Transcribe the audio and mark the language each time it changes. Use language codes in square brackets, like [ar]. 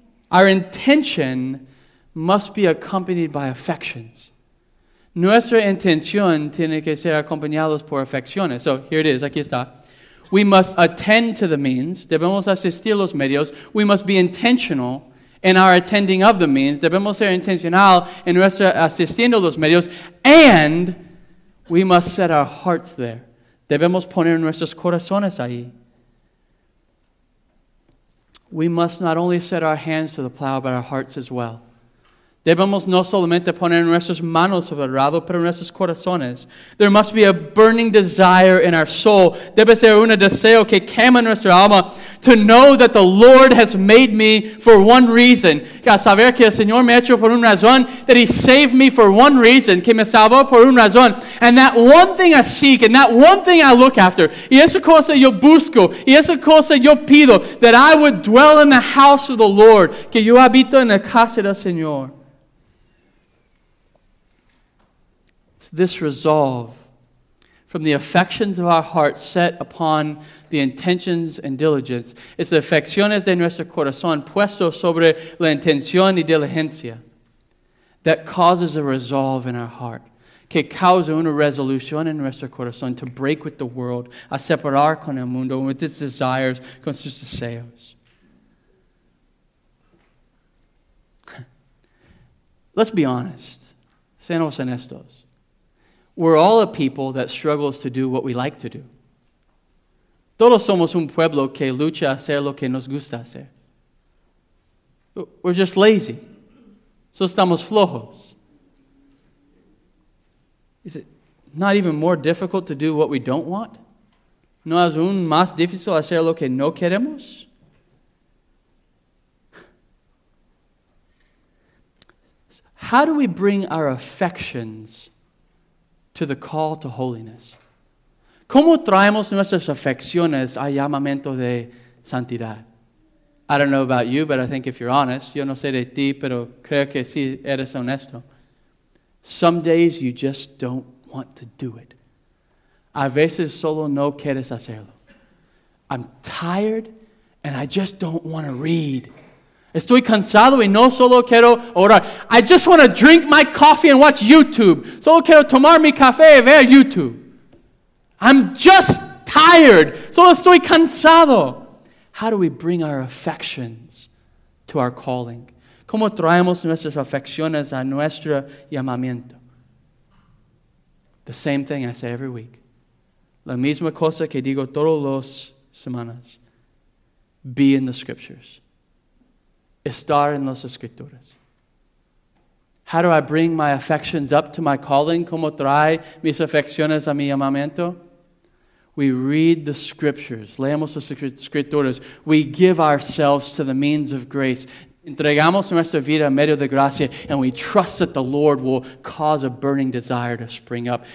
[en] Our intention must be accompanied by affections. [es] Nuestra intención tiene que ser acompañada por afecciones. [en] So, here it is, [es] aquí está. [en] We must attend to the means. [es] Debemos asistir los medios. [en] We must be intentional in our attending of the means. [es] Debemos ser intencional en nuestra asistiendo los medios. [en] And we must set our hearts there. [es] Debemos poner nuestros corazones ahí. [en] We must not only set our hands to the plow, but our hearts as well. [es] Debemos no solamente poner nuestras manos sobre el rado, pero nuestros corazones. [en] There must be a burning desire in our soul. [es] Debe ser un deseo que quema nuestra alma. [en] To know that the Lord has made me for one reason. [es] A saber que el Señor me ha hecho por una razón. [en] That He saved me for one reason. [es] Que me salvó por una razón. [en] And that one thing I seek and that one thing I look after. [es] Y esa cosa yo busco. Y esa cosa yo pido. [en] That I would dwell in the house of the Lord. [es] Que yo habito en la casa del Señor. [en] It's this resolve from the affections of our hearts set upon the intentions and diligence. It's the [es] afecciones de nuestro corazón puesto sobre la intención y diligencia [en] that causes a resolve in our heart, [es] que causa una resolución en nuestro corazón [en] to break with the world, [es] a separar con el mundo, [en] with its desires, [es] con sus deseos. [en] Let's be honest. [es] Seamos honestos. [en] We're all a people that struggles to do what we like to do. [es] Todos somos un pueblo que lucha hacer lo que nos gusta hacer. [en] We're just lazy. So [es] estamos flojos. [en] Is it not even more difficult to do what we don't want? [es] ¿No es aún más difícil hacer lo que no queremos? [en] How do we bring our affections to the call to holiness? [es] ¿Cómo traemos nuestras afecciones al llamamiento de santidad? [en] I don't know about you, but I think if you're honest, [es] yo no sé de ti, pero creo que sí eres honesto. [en] Some days you just don't want to do it. [es] A veces solo no quieres hacerlo. [en] I'm tired, and I just don't want to read. [es] Estoy cansado y no solo quiero orar. [en] I just want to drink my coffee and watch YouTube. [es] Solo quiero tomar mi café y ver YouTube. [en] I'm just tired. [es] Solo estoy cansado. [en] How do we bring our affections to our calling? [es] ¿Cómo traemos nuestras afecciones a nuestro llamamiento? [en] The same thing I say every week. [es] La misma cosa que digo todos los semanas. [en] Be in the Scriptures. [es] Estar en las Escrituras. [en] How do I bring my affections up to my calling? [es] ¿Cómo trae mis afecciones a mi llamamiento? [en] We read the Scriptures. [es] Leemos las Escrituras. [en] We give ourselves to the means of grace. [es] Entregamos nuestra vida en medio de gracia, [en] and we trust that the Lord will cause a burning desire to spring up.